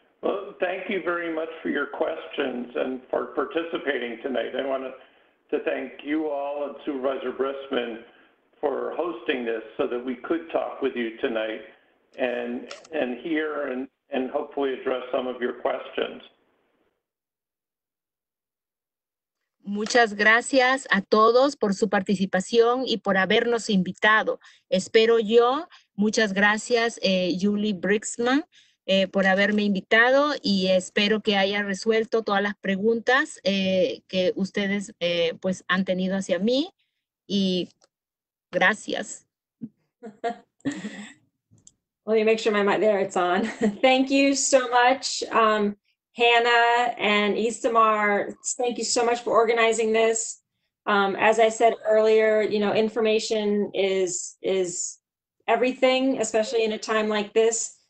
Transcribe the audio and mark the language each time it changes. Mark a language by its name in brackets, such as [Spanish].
[English] Well, thank you very much for your questions and for participating tonight. I want to thank you all and Supervisor Brisman for hosting this so that we could talk with you tonight and hear and hopefully address some of your questions. [Spanish] Muchas gracias a todos por su participación y por habernos invitado. Espero yo, muchas gracias Julie Brixman por haberme invitado y espero que haya resuelto todas las preguntas que ustedes pues han tenido hacia mí y gracias. [English] Let me make sure my mic, there it's on. Thank you so much, Hannah and Isamar. Thank you so much for organizing this. As I said earlier, you know, information is everything, especially in a time like this.